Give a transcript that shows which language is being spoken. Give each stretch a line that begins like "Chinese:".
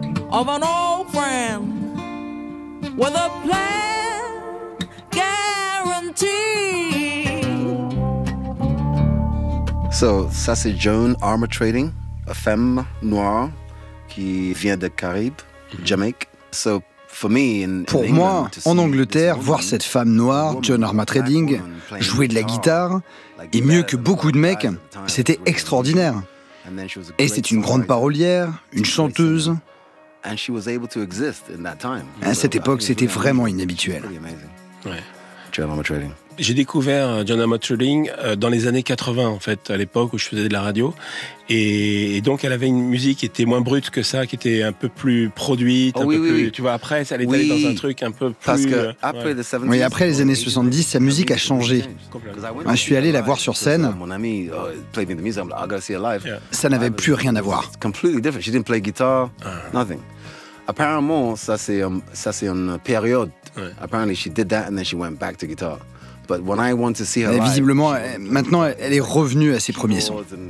English: of an old friend with a plan guaranteed.
French: So, ça c'est Joan Armour Trading, a femme noire qui vient de Caraïbes, Jamaïque. So, pour moi, en Angleterre, voir cette femme noire, Joan Armour Trading, jouer de la guitare, et mieux que beaucoup de mecs, c'était extraordinaire. Et c'est une grande parolière, une chanteuse. À cette époque, c'était vraiment inhabituel. Ouais. J'ai découvert Joan Armour Trading dans les années 80, en fait, à l'époque où je faisais de la radio. Et donc, elle avait une musique qui était moins brute que ça, qui était un peu plus produite, un peu plus. Tu vois, après, ça allait aller dans un truc un peu plus. Parce que après, ouais. Oui, après les années 70, sa musique a changé. Ah, je suis allé la voir sur scène. Mon ami
English: played me the music, I'm like, I gotta see her live.
French: Ça n'avait plus rien à voir.
English: Completely different. She didn't play guitar, nothing.
French: Apparemment, ça c'est une période. Ouais.
English: Apparently, she did that and then she went back to guitar. But when I want to see her
French: live, visiblement, maintenant, elle est revenue à ses premiers sons.